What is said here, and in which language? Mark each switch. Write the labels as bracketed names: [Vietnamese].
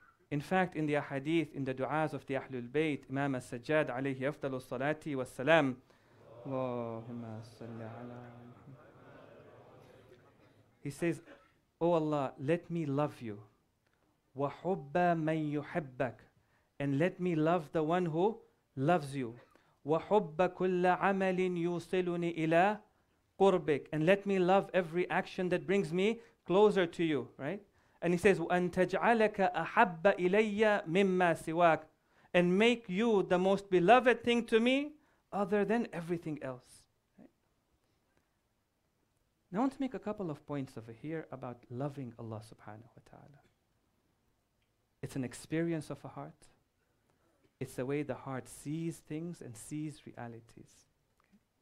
[English] In fact, in the ahadith, in the du'as of the Ahlul Bayt, Imam al-Sajjad alayhi afdalu salati wa salam, [Arabic] Allahumma salli ala Muhammad. [English] He says, O Allah, let me love you. [Arabic] Wa hubba man yuhibbak. [English] And let me love the one who loves you. [Arabic] وَحُبَّ كُلَّ عَمَلٍ يُوصِلُنِي إِلَىٰ قُرْبِكَ. [English] And let me love every action that brings me closer to you, right? And he says, [Arabic] وَأَن تَجْعَلَكَ أَحَبَّ إِلَيَّ مِمَّا سِوَاكَ. [English] And make you the most beloved thing to me other than everything else. Right? Now I want to make a couple of points over here about loving Allah subhanahu wa ta'ala. It's an experience of a heart. It's the way the heart sees things and sees realities. Okay.